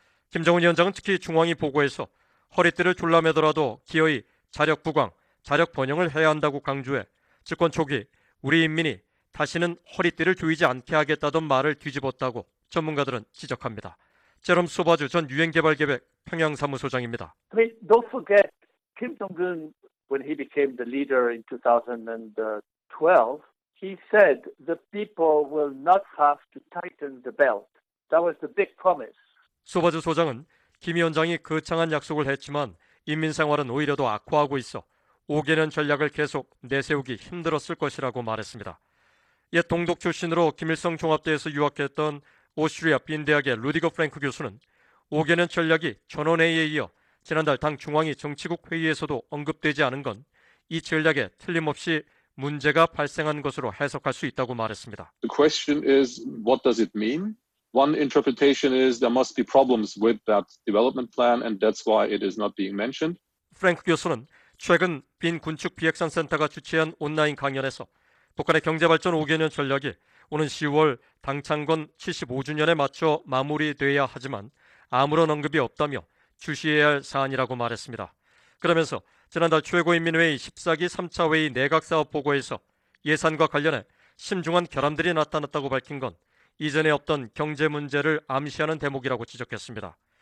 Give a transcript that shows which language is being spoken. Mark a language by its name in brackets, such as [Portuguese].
[Korean] 김정은 위원장은 특히 중앙위 보고에서 허리띠를 졸라매더라도 기어이 자력구강, 자력번영을 해야 한다고 강조해 집권 초기 우리 인민이 다시는 허리띠를 조이지 않게 하겠다던 말을 뒤집었다고 전문가들은 지적합니다. 제롬 소바주 전 유엔개발계획 평양사무소장입니다. [English] I mean, don't forget Kim Jong-un when he became the leader in 2012. He said the people will not have to tighten the belt. That was the big promise. [Korean] 소바주 소장은 김 위원장이 거창한 약속을 했지만 인민생활은 오히려 더 악화하고 있어 5개년 전략을 계속 내세우기 힘들었을 것이라고 말했습니다. 옛 동독 출신으로 김일성 종합대에서 유학했던 오스트리아 빈대학의 루디거 프랭크 교수는 5개년 전략이 전원회의에 이어 지난달 당 중앙위 정치국 회의에서도 언급되지 않은 건 이 전략에 틀림없이 문제가 발생한 것으로 해석할 수 있다고 말했습니다. [English] The question is, what does it mean? One interpretation is there must be problems with that development plan and that's why it is not being mentioned. [Korean] 프랭크 교수는 최근 빈 군축 비핵산 센터가 주최한 온라인 강연에서 북한의 경제발전 5개년 전략이 오는 10월 당창건 75주년에 맞춰 마무리돼야 하지만 아무런 언급이 없다며 주시해야 할 사안이라고 말했습니다. 그러면서 지난달 최고인민회의 14기 3차 회의 내각사업 보고에서 예산과 관련해 심중한 결함들이 나타났다고 밝힌 건 이전에 없던 경제 문제를 암시하는 대목이라고 지적했습니다.